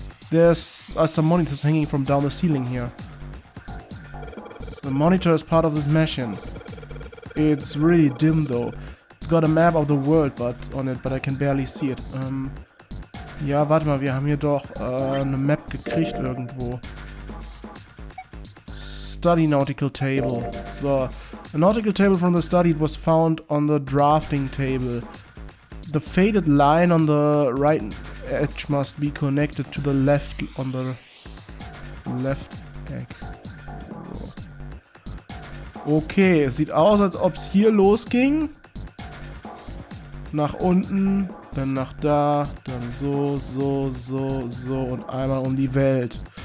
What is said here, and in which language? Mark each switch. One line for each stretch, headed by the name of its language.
English: There's some monitors hanging from down the ceiling here. The monitor is part of this machine. It's really dim, though. It's got a map of the world on it, but I can barely see it.
German: Ja, warte mal, wir haben hier doch eine Map gekriegt irgendwo.
English: Study nautical table. So, a nautical table from the study was found on the drafting table. The faded line on the right edge must be connected to the left on the left egg. So.
German: Okay, es sieht aus, als ob es hier losging. Nach unten, dann nach da, dann so, so, so, so und einmal um die Welt.